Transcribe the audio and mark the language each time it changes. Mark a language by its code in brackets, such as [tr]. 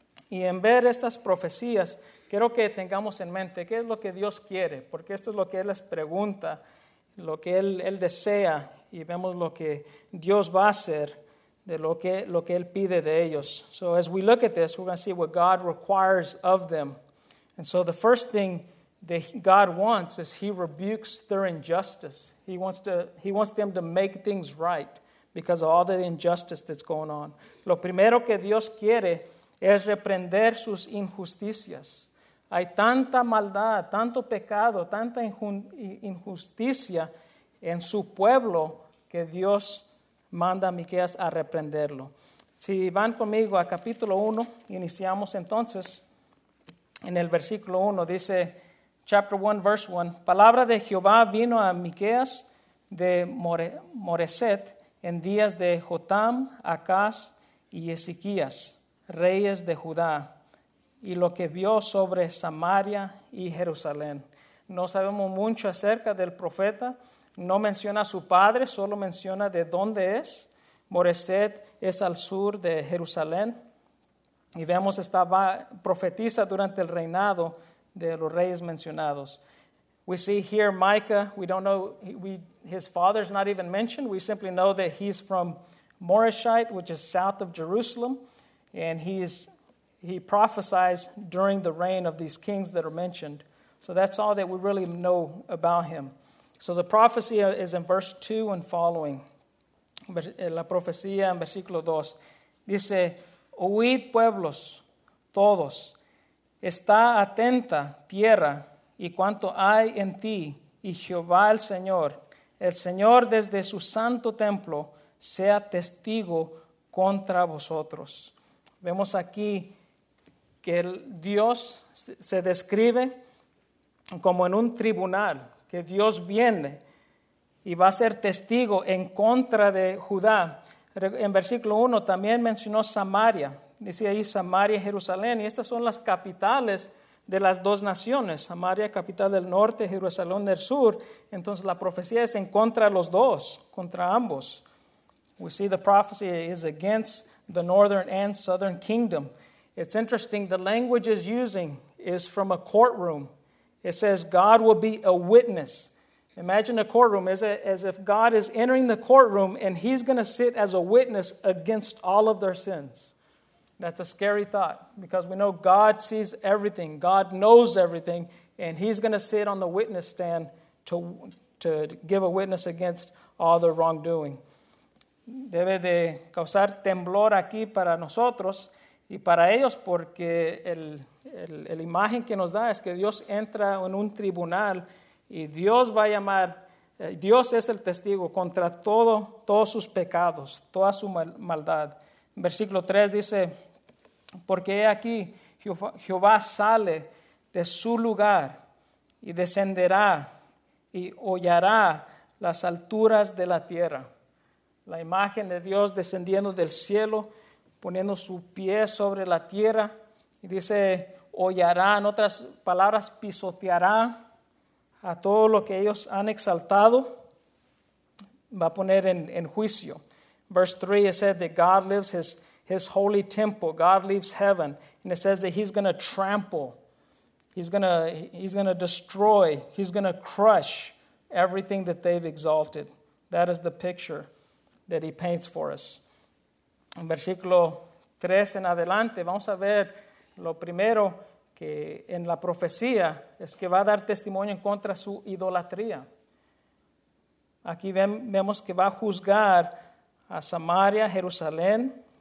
[es] Y en ver estas profecías, quiero que tengamos en mente qué es lo que Dios quiere, porque esto es lo que Él les pregunta, lo que Él desea, y vemos lo que Dios va a hacer de lo que Él pide de ellos. [en] So as we look at this, we're going to see what God requires of them. And so the first thing that God wants is He rebukes their injustice. He wants them to make things right because of all the injustice that's going on. [es] Lo primero que Dios quiere es reprender sus injusticias. Hay tanta maldad, tanto pecado, tanta injusticia en su pueblo que Dios manda a Miqueas a reprenderlo. Si van conmigo a capítulo 1, iniciamos entonces en el versículo 1. Dice, [en] chapter 1, verse 1, [es] palabra de Jehová vino a Miqueas de Moreset en días de Jotam, Acaz y Ezequías, reyes de Judá, y lo que vio sobre Samaria y Jerusalén. No sabemos mucho acerca del profeta. No menciona a su padre, solo menciona de dónde es. Moreset es al sur de Jerusalén. Y vemos, estaba profetiza durante el reinado de los reyes mencionados. [en] We see here Micah, his father's not even mentioned. We simply know that he's from Moreshite, which is south of Jerusalem. And he prophesies during the reign of these kings that are mentioned. So that's all that we really know about him. So the prophecy is in verse 2 and following. [es] La profecía en versículo 2. Dice, oíd pueblos, todos. Está atenta, tierra, y cuanto hay en ti, y Jehová el Señor desde su santo templo, sea testigo contra vosotros. Vemos aquí que Dios se describe como en un tribunal. Que Dios viene y va a ser testigo en contra de Judá. En versículo 1 también mencionó Samaria. Dice ahí Samaria y Jerusalén. Y estas son las capitales de las dos naciones. Samaria, capital del norte, Jerusalén del sur. Entonces la profecía es en contra de los dos, contra ambos. [en] We see the prophecy is against the northern and southern kingdom. It's interesting, the language is using is from a courtroom. It says God will be a witness. Imagine a courtroom as if God is entering the courtroom and he's going to sit as a witness against all of their sins. That's a scary thought because we know God sees everything. God knows everything and he's going to sit on the witness stand to give a witness against all the wrongdoing. [es] Debe de causar temblor aquí para nosotros y para ellos porque la imagen que nos da es que Dios entra en un tribunal y Dios va a llamar, Dios es el testigo contra todos sus pecados, toda su maldad. Versículo 3 dice, porque he aquí Jehová sale de su lugar y descenderá y hollará las alturas de la tierra. La imagen de Dios descendiendo del cielo, poniendo su pie sobre la tierra y dice, hollará, en otras palabras, pisoteará a todo lo que ellos han exaltado, va a poner en juicio. [en] Verse 3, it says that God leaves his holy temple, God leaves heaven, and it says that he's going to trample, he's going to destroy, he's going to crush everything that they've exalted. That is the picture that he paints for us. [es] En versículo 3 en adelante, vamos a ver lo primero que en la profecía es que va a dar testimonio en contra de su idolatría. Aquí vemos que va a juzgar a Samaria, Jerusalén,